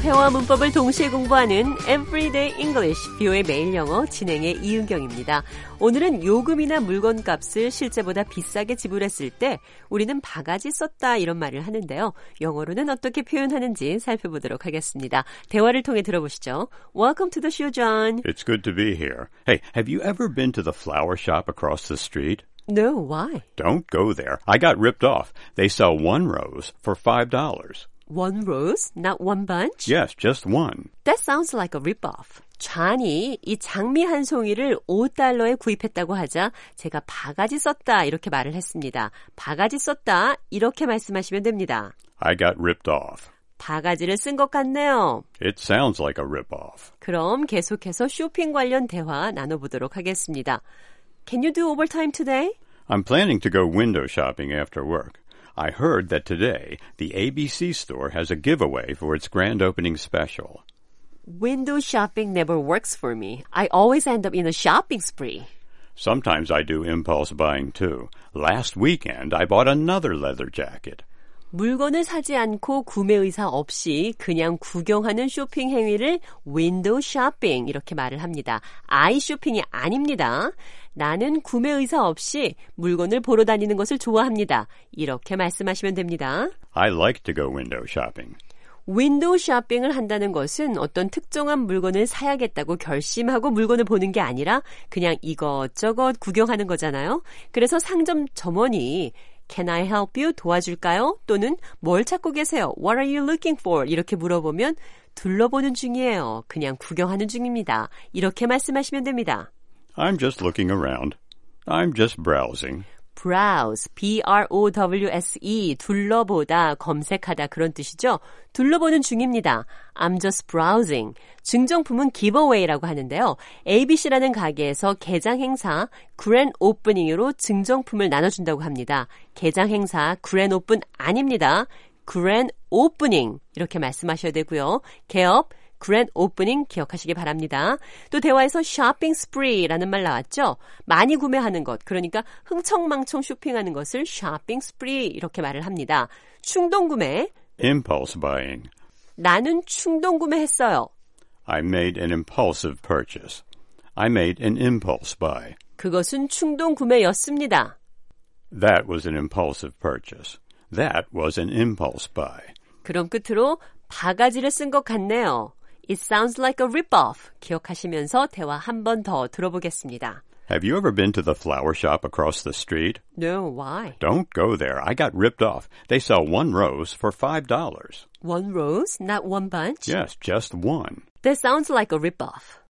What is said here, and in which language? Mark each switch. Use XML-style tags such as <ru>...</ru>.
<ko>회화 문법을 동시에 공부하는 Everyday English, 뷰의 매일 영어 진행의 이은경입니다. 오늘은 요금이나 물건값을 실제보다 비싸게 지불했을 때 우리는 바가지 썼다 이런 말을 하는데요. 영어로는 어떻게 표현하는지 살펴보도록 하겠습니다. 대화를 통해 들어보시죠.</ko> <en>Welcome to the show, John. It's good to be here. Hey, have you ever been to the flower shop across the street? No, why? Don't go there. I got ripped off. They sell one rose for $5. one rose, not one bunch? Yes, just one. That sounds like a rip-off.</en> <ko>존이 이 장미 한 송이를 $5에 구입했다고 하자 제가 바가지 썼다 이렇게 말을 했습니다. 바가지 썼다 이렇게 말씀하시면 됩니다.</ko> <en>I got ripped off.</en> <ko>바가지를 쓴 것 같네요.</ko> <en>It sounds like a rip-off.</en> <ko>그럼 계속해서 쇼핑 관련 대화 나눠보도록 하겠습니다.</ko> <en>Can you do overtime today? I'm planning to go window shopping after work. I heard that today the ABC store has a giveaway for its grand opening special. Window shopping never works for me. I always end up in a shopping spree. Sometimes I do impulse buying too. Last weekend, I bought another leather jacket.</en> <ko>물건을 사지 않고 구매 의사 없이 그냥 구경하는 쇼핑 행위를 window shopping 이렇게 말을 합니다. 아이 쇼핑이 아닙니다. 나는 구매 의사 없이 물건을 보러 다니는 것을 좋아합니다. 이렇게 말씀하시면 됩니다.</ko> <en>I like to go window shopping.</en> <ko>윈도우 쇼핑을 한다는 것은 어떤 특정한 물건을 사야겠다고 결심하고 물건을 보는 게 아니라 그냥 이것저것 구경하는 거잖아요. 그래서 상점 점원이</ko> <en>Can I help you?</en> <ko>도와줄까요? 또는 뭘 찾고 계세요?</ko> <en>What are you looking for?</en> <ko>이렇게 물어보면 둘러보는 중이에요. 그냥 구경하는 중입니다. 이렇게 말씀하시면 됩니다.</ko> <en>I'm just looking around. I'm just browsing.</en> <ko>Browse, B-R-O-W-S-E, 둘러보다, 검색하다 그런 뜻이죠? 둘러보는 중입니다.</ko> <en>I'm just browsing.</en> <ko>증정품은 giveaway라고 하는데요. ABC라는 가게에서 개장 행사, 그랜 오프닝으로 증정품을 나눠준다고 합니다. 개장 행사, 그랜 오픈 아닙니다. 그랜 오프닝, 이렇게 말씀하셔야 되고요. 개업, 그랜 오프닝 기억하시기 바랍니다. 또 대화에서 쇼핑 스프리라는 말 나왔죠? 많이 구매하는 것, 그러니까 흥청망청 쇼핑하는 것을 쇼핑 스프리 이렇게 말을 합니다. 충동구매</ko> <en>Impulse buying</en> <ko>나는 충동구매했어요.</ko> <en>I made an impulsive purchase. I made an impulse buy.</en> <ko>그것은 충동구매였습니다.</ko> <en>That was an impulsive purchase. That was an impulse buy.</en> <ko>그럼 끝으로 바가지를 쓴 것 같네요.</ko> <en>It sounds like a rip-off.</en> <ko>기억하시면서 대화 한 번 더 들어보겠습니다.</ko> <en>Have you ever been to the flower shop across the street? No, why? Don't go there. I got ripped off. They sell one rose for $5. One rose? Not one bunch? Yes, just one. That sounds like a rip-off.</en>